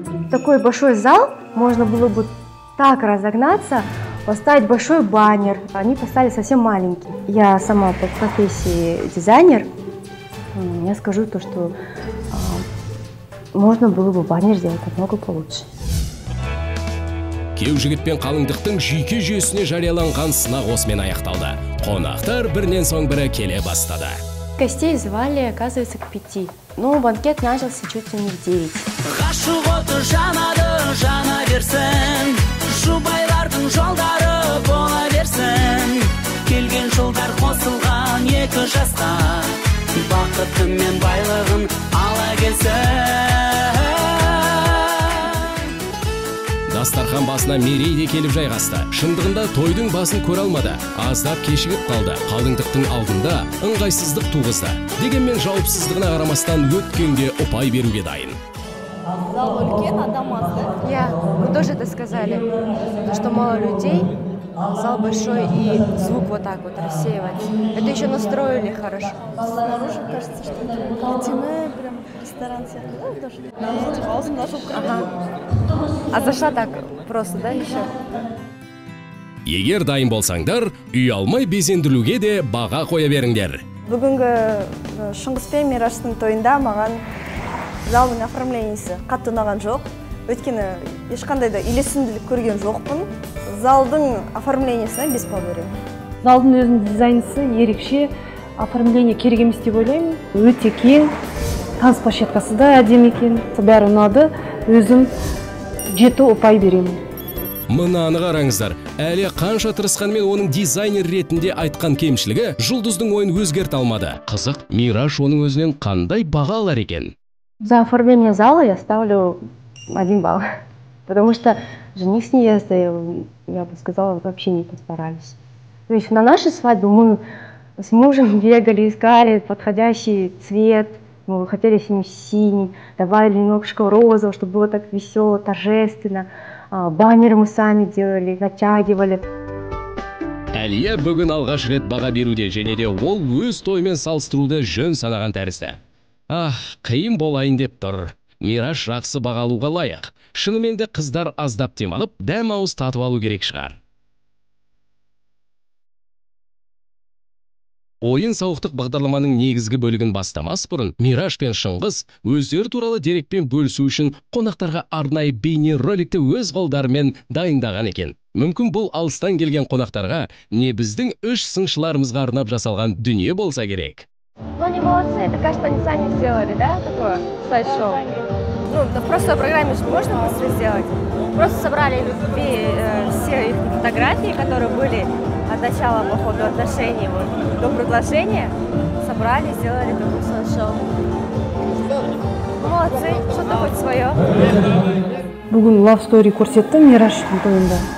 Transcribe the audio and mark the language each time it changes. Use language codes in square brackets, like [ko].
[ru] Такой большой зал, можно было бы так разогнаться, поставить большой баннер. Они поставили совсем маленький. Я сама по профессии дизайнер. Я скажу то, что можно было бы баннер сделать намного получше. [kk] Кеу жігітпен қалыңдықтың жүйке жүйесіне жарияланған сынақ осымен аяқталды. Қонақтар бірінен соң бірі келе бастады. [ru] Гостей звали, оказывается, к 5. Ну, банкет начался чуть ли не в 9. [kk] Ғашық оты жанады, жана берсін. Жұбайлардың жолдары бола берсін. жылдар қосылған екі жаста бақыты мен байлығын ала келсе. Дастархан басына мерей де келіп жайғасты. Шындығында тойдың басын көре алмады. Аздап кешігіп қалды. Қалыңдықтың алдында ыңғайсыздық туғызды. Дегенмен жауапсыздығына қарамастан өткенге ұпай беруге дайын. Зал үлкен, адам аз, да? [ru] Иә, вы тоже это сказали. То, что мало людей, зал большой и звук вот так вот рассеивать. Это еще настроили хорошо. Снаружи кажется, что это интимное, прям ресторан сервис. Да, тоже. Ага. А зашла так просто, да, еще? [kk] Егер дайын болсаңдар, үй алмай безендіруге де баға қоя беріңдер. Бүгінгі Шыңғыс пен Мираштың тойында маған залдың оформлениесі қатты ұнаған жоқ. Өйткені ешқандай да үйлесімділік көрген жоқпын. Залдың оформлениесіне 5 балл беремін. Залдың өзінің дизайнысы ерекше, оформление керек емес деп ойлаймын. Өте кең, танцплощадкасы да әдемі екен. Бәрі ұнады, өзім 7 ұпай беремін. Мынаны қараңыздар, әлі қанша тырысқанмен оның дизайнер ретінде айтқан кемшілігі жұлдыздың ойын өзгерте алмады. Қызық, Мираш оның өзінен қандай баға алар екен? [ru] За оформление зала я ставлю 1 балл. Потому что жених с невестой, я бы сказала, вообще не постарались. То есть на нашей свадьбе мы с мужем бегали, искали подходящий цвет. Мы хотели синий, давали немножко розового, чтобы было так весело, торжественно. Баннеры мы сами делали, натягивали. [kk] Әлия бүгін алғаш рет баға беруде, және де ол өз тоймен салыстыруды жөн санаған тәрізді. Ах, қиын болайын деп тұр. Мираш жақсы бағалуға лайық. Шынымен де қыздар аздап демалып, дәм ауыз татып алу керек шығар. Ойын-сауықтық бағдарламаның негізгі бөлігін бастамас бұрын, Мираш пен Шыңғыс өздері туралы дерекпен бөлісу үшін қонақтарға арнайы бейне роликті өз қолдарымен дайындаған екен. Мүмкін бұл алыстан келген қонақтарға не біздің үш сыншыларымызға арнап жасалған дүние болса керек. [ru] Ну, они молодцы, это кажется, они сами сделали, да, такое сайт-шоу? Ну, да просто в программе же можно быстро сделать. Просто собрали все их фотографии, которые были от начала по ходу отношений, вот, до приглашения, собрали, сделали такое сайт-шоу. Молодцы, что-то хоть свое. [kk] Бүгін Love Story курсетті Мираш тойында.